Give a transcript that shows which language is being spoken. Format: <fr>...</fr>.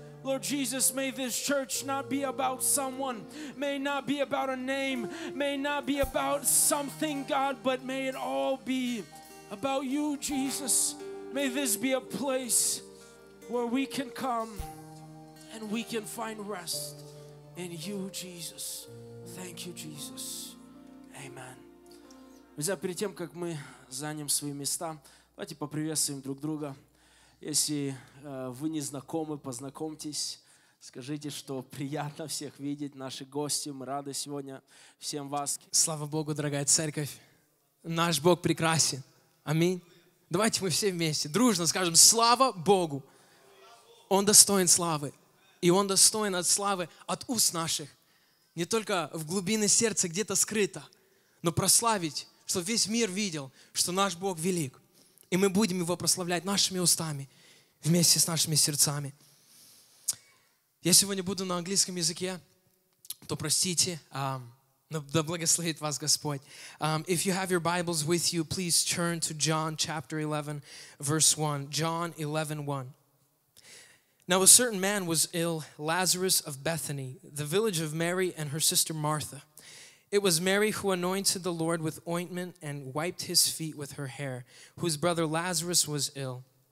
<en>Lord Jesus, may this church not be about someone, may not be about a name, may not be about something, God, but may it all be about you, Jesus. May this be a place where we can come and we can find rest in you, Jesus. Thank you, Jesus. Amen.</en> <ru>Друзья, перед тем, как мы займем свои места, давайте поприветствуем друг друга. Если вы не знакомы, познакомьтесь. Скажите, что приятно всех видеть, наши гости. Мы рады сегодня всем вас. Слава Богу, дорогая церковь. Наш Бог прекрасен. Аминь. Давайте мы все вместе дружно скажем «Слава Богу!» Он достоин славы. И Он достоин от славы от уст наших. Не только в глубине сердца где-то скрыто, но прославить, чтобы весь мир видел, что наш Бог велик. И мы будем его прославлять нашими устами вместе с нашими сердцами. Я сегодня буду на английском языке, то простите, да благословит вас Господь.</ru> <en>If you have your Bibles with you, please turn to John chapter 11, verse 1. John 11, 1. Now a certain man was ill, Lazarus of Bethany, the village of Mary and her sister Martha. It was Mary who anointed the Lord with ointment and wiped his feet with her hair, whose brother Lazarus was ill.</en>